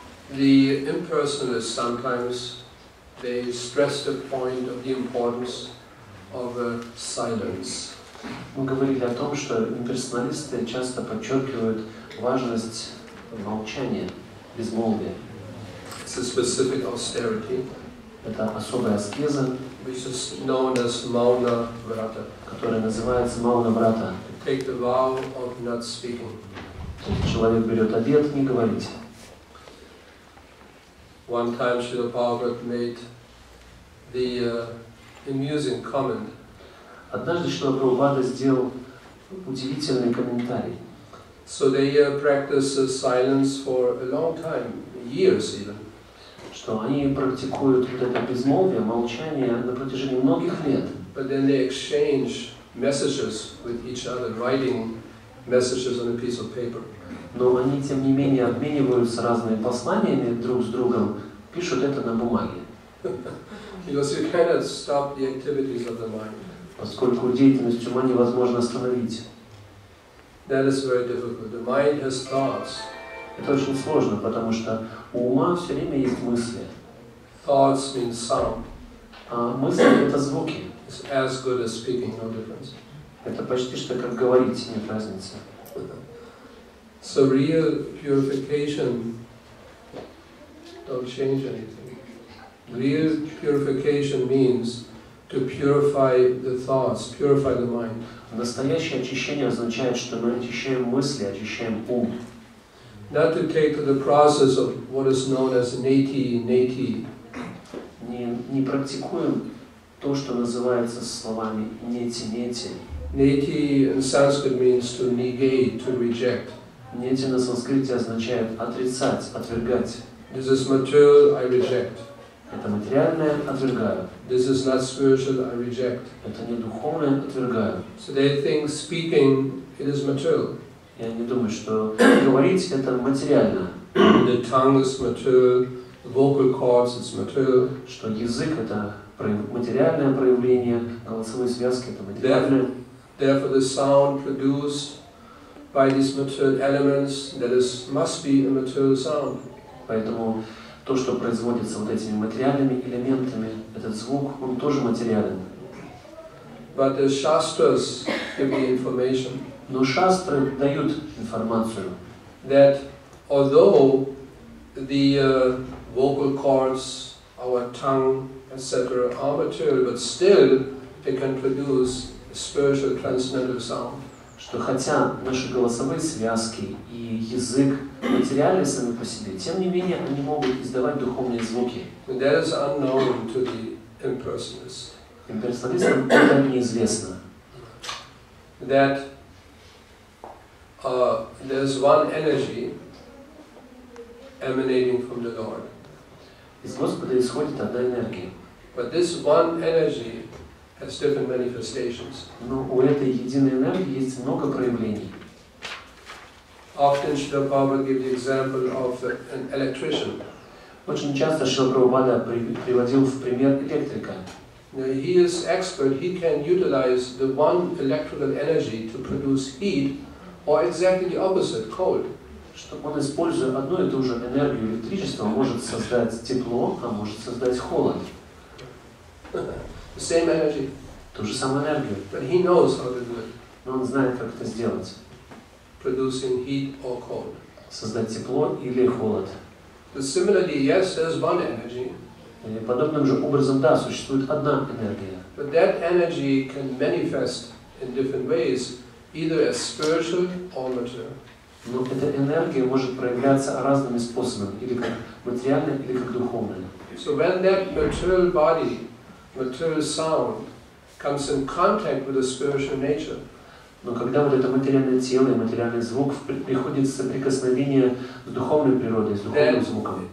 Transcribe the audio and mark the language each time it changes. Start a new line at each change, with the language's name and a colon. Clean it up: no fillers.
English: The impersonalists sometimes they stress the point of the importance of a silence.
Russian: Мы говорили о том, что имперсоналисты часто подчеркивают важность молчания, безмолвия.
English: It's a specific austerity.
Russian: Это особая аскеза,
English: which is known as mauna vrata,
Russian: которая называется мауна врата.
English: Take the vow of not speaking.
Russian: То есть человек берет обет не говорить.
English: One time Srila Prabhupada made the amusing comment.
Russian: Однажды Шрила Прабхупада сделал удивительный комментарий.
English: So they practice silence for a long time, years even.
Russian: Что они практикуют вот это безмолвие, молчание на протяжении многих лет.
English: But then they exchange messages with each other, writing messages on a piece of paper.
Russian: Но они тем не менее обмениваются разными посланиями друг с другом, пишут это на бумаге.
English: Because you cannot stop the activities of the mind.
Russian: Поскольку деятельность ума невозможно остановить.
English: That is very difficult. The mind has thoughts.
Russian: Это очень сложно, потому что у ума все время есть мысли.
English: Thoughts mean sound.
Russian: А мысли — это звуки.
English: It's as good as speaking, no difference.
Russian: Это почти что как говорить, нет разницы.
English: So real purification don't change anything. Real purification means to purify the thoughts, purify the mind.
Russian: Настоящее очищение означает, что мы очищаем мысли, очищаем ум.
English: Not to take to the process of what is known as neti.
Russian: Не практикуем то, что называется словами нети.
English: Neti in Sanskrit means to negate, to reject.
Russian: Нети на санскрите означает отрицать, отвергать.
English: This is material, I reject.
Russian: Это материальное, отвергаю.
English: This is not spiritual, I reject.
Russian: Это не духовное, отвергаю.
English: So they think speaking, it is material.
Russian: Я не думаю, что говорить это материально.
English: The tongue is material, the vocal cords is material.
Russian: Что язык это материальное проявление, голосовые связки это материальное.
English: Therefore the sound produced by these material elements, that is, must be a material sound.
Russian: Поэтому то, что производится вот этими материальными элементами, этот звук, он тоже материален.
English: But the shastras give the information.
Russian: Но шастры дают информацию.
English: That although the vocal cords, our tongue, etc., are material, but still they can produce spiritual transcendental sound.
Russian: Что хотя наши голосовые связки и язык материальны сами по себе, тем не менее они могут издавать духовные звуки.
English: That is unknown to the impersonalists.
Russian: Имперсоналистам это неизвестно.
English: That there is one energy emanating from the Lord.
Russian: Из Господа исходит одна энергия.
English: But this one energy has different manifestations.
Russian: Но у этой единой энергии есть много проявлений.
English: Often Srila Prabhupada gives the example of an electrician.
Russian: Очень часто Шрила Прабхупада приводил в пример электрика.
English: Now he is expert, he can utilize the one electrical energy to produce heat, or exactly the opposite, cold.
Russian: Что он, используя одну и ту же энергию электричества, может создать тепло, а может создать холод.
English: The same energy.
Russian: Ту же самую энергию.
English: But he knows how to do it.
Russian: Но он знает, как это сделать.
English: Producing heat or cold.
Russian: Создать тепло или холод.
English: But similarly, yes, there's one energy.
Russian: Подобным же образом, да, существует одна энергия.
English: But that energy can manifest in different ways, either as spiritual or material.
Russian: Но эта энергия может проявляться разными способами, или как материальная, или как духовная.
English: So when that material body, material sound, comes in contact with the spiritual nature,
Russian: но когда вот это материальное тело и материальный звук приходит в соприкосновение с духовной природой, с духовным звуком,